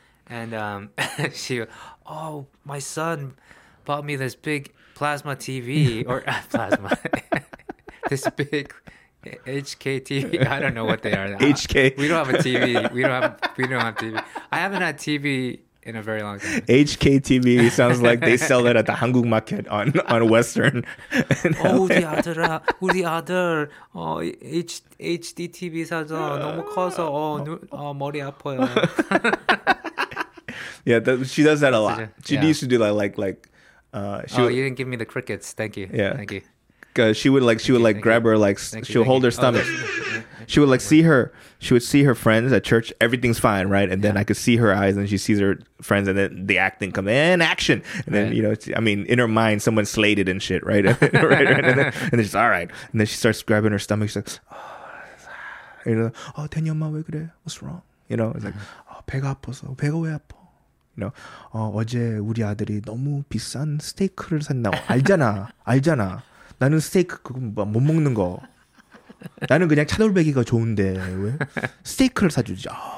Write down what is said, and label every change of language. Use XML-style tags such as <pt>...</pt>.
<en>And she, oh, my son bought me this big plasma TV or plasma, this big HK TV. I don't know what they are. HK. We don't have a TV. We don't have TV. I haven't had TV in a very long time. HK TV sounds like they sell it at the Hanguk market on Western.</en> <ko>Oh, 우리 아들, HD TV 사서 너무 커서 머리 아파요.</ko> <en>Yeah, she does that a lot. She used to do that, like, you didn't give me the crickets. Thank you. Yeah. Thank you. Because she would grab her, hold her stomach. She would, like, see her friends at church. Everything's fine, right? And then I could see her eyes, and she sees her friends, and then the acting comes in, action! And then, you know, I mean, in her mind, someone slated and shit, right? and then she's, all right. And then she starts grabbing her stomach. She's like, oh, you know, oh,</en> <ko>태니엄마 왜 그래?</ko> <en>What's wrong? You know, it's like, oh,</en> <ko>배가 아파서, 배가 왜 아파?</ko> <en>You know,</en> <ko>어제 우리 아들이 너무 비싼 스테이크를 샀나? 알잖아. 나는 스테이크 그거 막 못 먹는 거. 나는 그냥 차돌박이가 좋은데 왜 스테이크를 사주지?</ko>